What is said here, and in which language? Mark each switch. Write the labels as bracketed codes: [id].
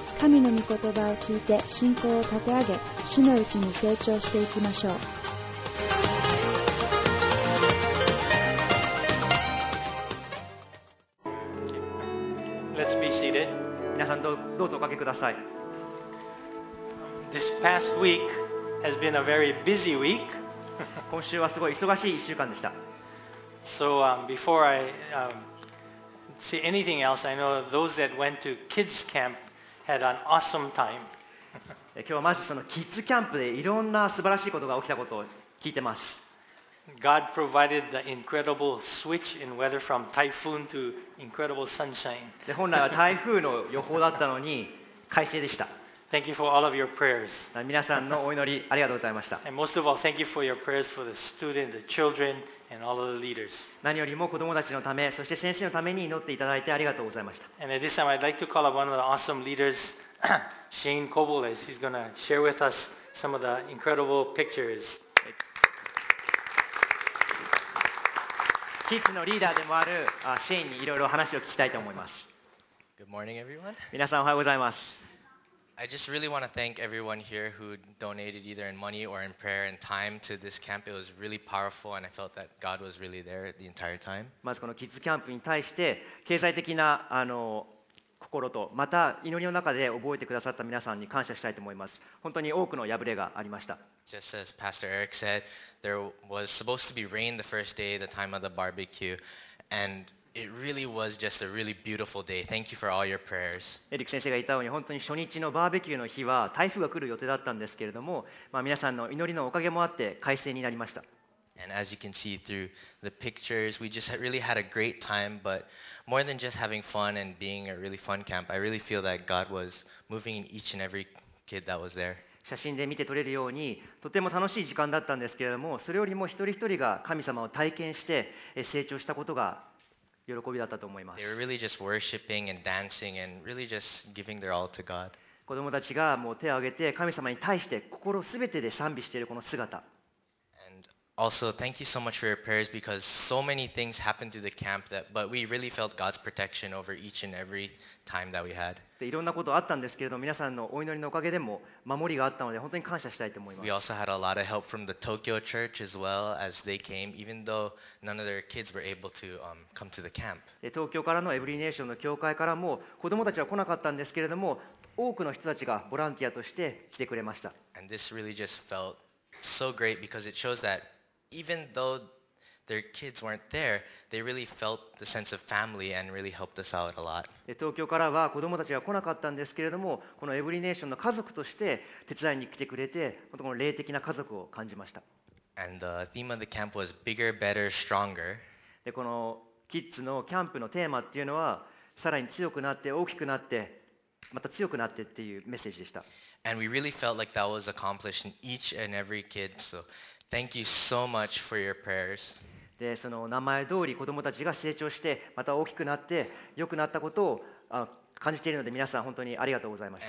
[ja] 神の御言葉を聞いて信仰を立て上げ、主のうちに成長していきましょう。 [en] Let's be seated. [ja] 皆さんどうぞおかけください。 [en] This past week has been a very busy week. [ja] 今週はすごい忙しい1週間でした。 [en] So, before I, say anything else, I know those that went to kids camp had an awesome time. [ja] 今日はまずそのキッズキャンプでいろんな素晴らしいことが起きたことを聞いてます。 [en] God provided the incredible switch in weather from typhoon to incredible sunshine. [ja] で本来は台風の予報だったのに快晴でした。 [en] Thank you for all of your prayers. [ja] 皆さんのお祈りありがとうございました。 [en] And most of all, thank you for your prayers for the students, the children, and all of the leaders. [ja] 何よりも子どもたちのため、そして先生のために祈っていただいてありがとうございました。 [en] And at this time, I'd like to call up one of the awesome leaders, Shane Coble, as he's going to share with us some of the incredible pictures. [ja] キッズのリーダーでもあるシェーンにいろいろ話を聞きたいと思います。 [en] Good morning, everyone. [ja] 皆さんおはようございます。 [en] I just really want to thank everyone here who donated either in money or in prayer and time to this camp. It was really powerful, and I felt that God was really there the entire time. [ja] まずこのキッズキャンプに対して経済的な心とまた祈りの中で覚えてくださった皆さんに感謝したいと思います。本当に多くの破れがありました。 [en] Just as Pastor Eric said, there was supposed to be rain the first day, the time of the barbecue, and It really was just a really beautiful day. Thank you for all your prayers. [ja] エリック先生が言ったように、本当に初日のバーベキューの日は台風が来る予定だったんですけれども、まあ、皆さんの祈りのおかげもあって快晴になりました。 [en] And as you can see through the pictures, we just really had a great time. But more than just having fun and being a really fun camp, I really feel that God was moving in each and every kid that was there. [ja] 写真で見て取れるようにとても楽しい時間だったんですけれども、それよりも一人一人が神様を体験して成長したことが喜びだったと思います。 [en] They were really just worshiping and dancing and really just giving their all to God. [ja] 子供たちがもう手を挙げて神様に対して心すべてで賛美しているこの姿。 [en] And also, thank you so much for your prayers because so many things happened to the camp that, but we really felt God's protection over each and every time that we had. [ja] いろんなことあったんですけれども、皆さんのお祈りのおかげでも守りがあったので本当に感謝したいと思います。 [en] We also had a lot of help from the Tokyo Church as well as they came, even though none of their kids were able to come to the camp. [ja] 東京からのエブリネーションの教会からも子どもたちは来なかったんですけれども、多くの人たちがボランティアとして来てくれました。 [en] And this really just felt so great because it shows that even though their kids weren't there, they really felt the sense of family and really helped us out a lot. [ja] 東京からは子供たちが来なかったんですけれども、このエブリネーションの家族として手伝いに来てくれて、本当に霊的な家族を感じました。 [en] And the theme of the camp was bigger, better, stronger. [ja] で、このキッズのキャンプのテーマっていうのは、さらに強くなって、大きくなって、また強くなってっていうメッセージでした。 [en] And we really felt like that was accomplished in each and every kid, so... Thank you so much for your prayers. [ja] で、その名前通り子供たちが成長して、また大きくなって、良くなったことを感じているので、皆さん本当にありがとうございました。